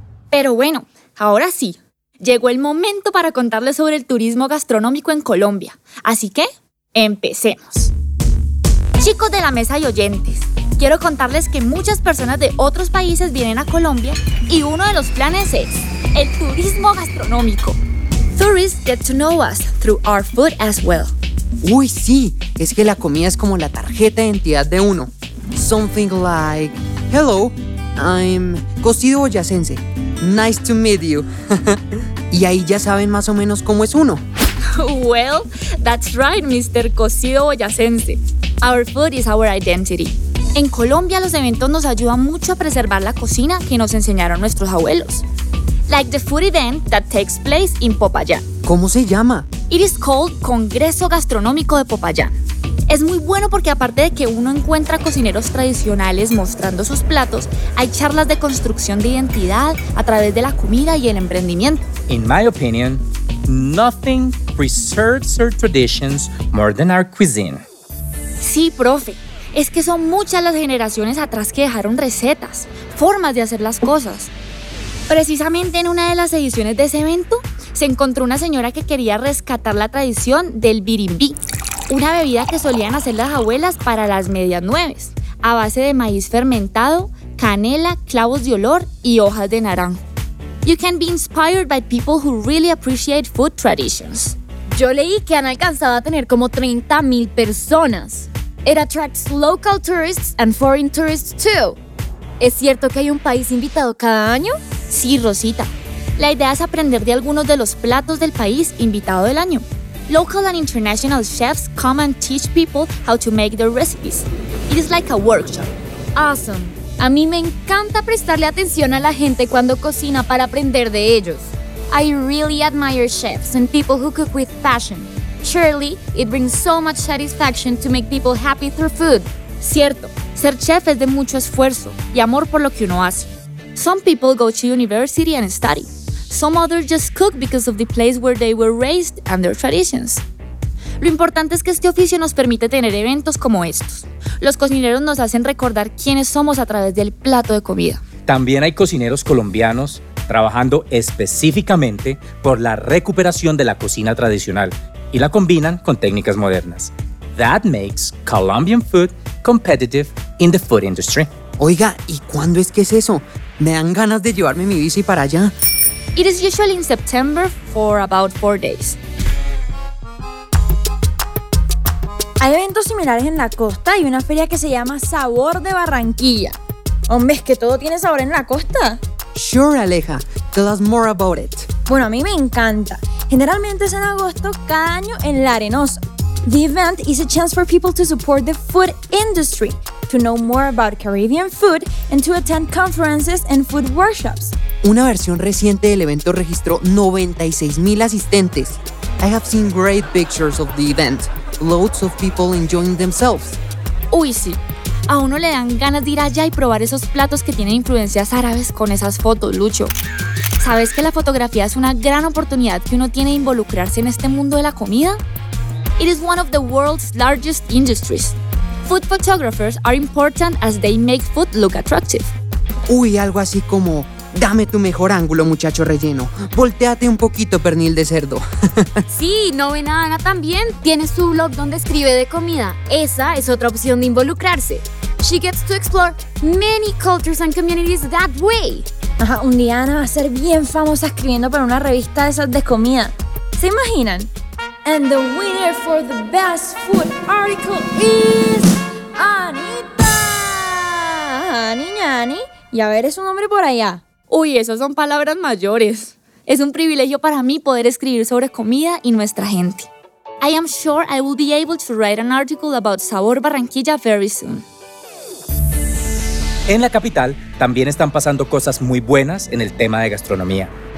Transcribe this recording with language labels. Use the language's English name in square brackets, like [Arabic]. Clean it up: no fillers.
[Spanish] Pero bueno, ahora sí, llegó el momento para contarles sobre el turismo gastronómico en Colombia. Así que, empecemos. Chicos de la mesa y oyentes, quiero contarles que muchas personas de otros países vienen a Colombia y uno de los planes es el turismo gastronómico. [English] Tourists get to know us through our food as well. [Spanish] Uy, sí, es que la comida es como la tarjeta de identidad de uno. [English] Something like, hello, I'm cocido boyacense. Nice to meet you. [Spanish] Y ahí ya saben más o menos cómo es uno. [English] Well, that's right, Mr. Cocido Boyacense. Our food is our identity. [Spanish] En Colombia, los eventos nos ayudan mucho a preservar la cocina que nos enseñaron nuestros abuelos. [English] Like the food event that takes place in Popayán. [Spanish] ¿Cómo se llama? [English] It is called Congreso Gastronómico de Popayán. [Spanish] Es muy bueno porque aparte de que uno encuentra cocineros tradicionales mostrando sus platos, hay charlas de construcción de identidad a través de la comida y el emprendimiento. [English] In my opinion, nothing preserves our traditions more than our cuisine. [Spanish] Sí, profe. Es que son muchas las generaciones atrás que dejaron recetas, formas de hacer las cosas. Precisamente en una de las ediciones de ese evento, se encontró una señora que quería rescatar la tradición del birimbí, una bebida que solían hacer las abuelas para las medias nueves, a base de maíz fermentado, canela, clavos de olor y hojas de naranjo. [English] You can be inspired by people who really appreciate food traditions. [Spanish] Yo leí que han alcanzado a tener como 30,000 personas. [English] It attracts local tourists and foreign tourists too. [Spanish] ¿Es cierto que hay un país invitado cada año? Sí, Rosita. La idea es aprender de algunos de los platos del país invitado del año. [English] Local and international chefs come and teach people how to make their recipes. It is like a workshop. Awesome. [Spanish] A mí me encanta prestarle atención a la gente cuando cocina para aprender de ellos. [English] I really admire chefs and people who cook with passion. Surely, it brings so much satisfaction to make people happy through food. [Spanish] Cierto, ser chef es de mucho esfuerzo y amor por lo que uno hace. [English] Some people go to university and study. Some others just cook because of the place where they were raised and their traditions. [Spanish] Lo importante es que este oficio nos permite tener eventos como estos. Los cocineros nos hacen recordar quiénes somos a través del plato de comida. También hay cocineros colombianos trabajando específicamente por la recuperación de la cocina tradicional y la combinan con técnicas modernas. [English] That makes Colombian food competitive in the food industry. [Spanish] Oiga, ¿y cuándo es que es eso? Me dan ganas de llevarme mi bici para allá. [English] It is usually in September for about 4 days. [Spanish] Hay eventos similares en la costa y una feria que se llama Sabor de Barranquilla. Hombre, es que todo tiene sabor en la costa. [English] Sure, Aleja. Tell us more about it. [Spanish] Bueno, a mí me encanta. Generalmente es en agosto cada año en La Arenosa. [English] The event is a chance for people to support the food industry, to know more about Caribbean food, and to attend conferences and food workshops. [Spanish] Una versión reciente del evento registró 96,000 asistentes. [English] I have seen great pictures of the event. Loads of people enjoying themselves. [Spanish] Uy, sí. A uno le dan ganas de ir allá y probar esos platos que tienen influencias árabes con esas fotos, Lucho. ¿Sabes que la fotografía es una gran oportunidad que uno tiene de involucrarse en este mundo de la comida? [English] It is one of the world's largest industries. Food photographers are important as they make food look attractive. [Spanish] Uy, algo así como, dame tu mejor ángulo, muchacho relleno. Voltéate un poquito, pernil de cerdo. Sí, no ve nada, Ana también. Tiene su blog donde escribe de comida. Esa es otra opción de involucrarse. [English] She gets to explore many cultures and communities that way. [Spanish] Ajá, un día Ana va a ser bien famosa escribiendo para una revista de esas de comida. ¿Se imaginan? [English] And the winner for the best food article is Anita. Ani, ñani. [Spanish] Y a ver, es un hombre por allá. Uy, esas son palabras mayores. Es un privilegio para mí poder escribir sobre comida y nuestra gente. [English] I am sure I will be able to write an article about Sabor Barranquilla very soon. [Spanish] En la capital también están pasando cosas muy buenas en el tema de gastronomía.